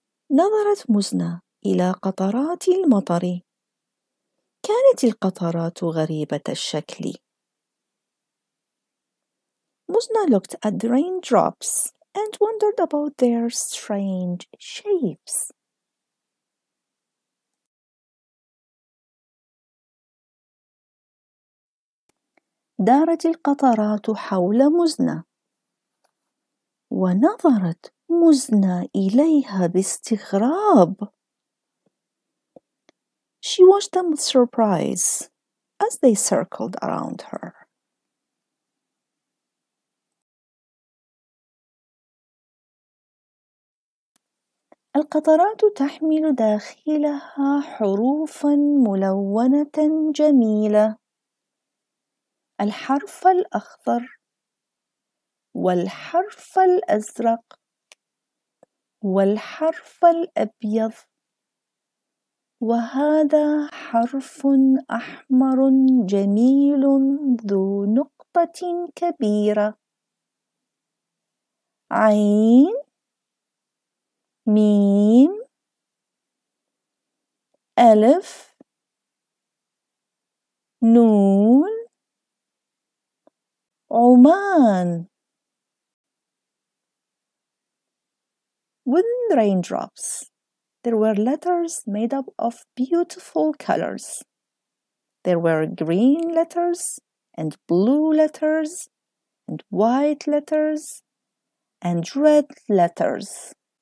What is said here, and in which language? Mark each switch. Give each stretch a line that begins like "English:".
Arabic: نظرت مزنة إلى قطرات المطر. كانت القطرات غريبة الشكل.
English: Muzna looked at the raindrops and wondered about their strange shapes.
Arabic: دارت القطرات حول مزنة ونظرت مزنة إليها باستغراب.
English: She watched them with surprise as they circled around her.
Arabic: القطرات تحمل داخلها حروفا ملونة جميلة. الحرف الأخضر والحرف الأزرق والحرف الأبيض وهذا حرف أحمر جميل ذو نقطة كبيرة. عين ميم ألف نون Oman.
English: Within the raindrops, there were letters made up of beautiful colors. There were green letters, and blue letters, and white letters, and red letters.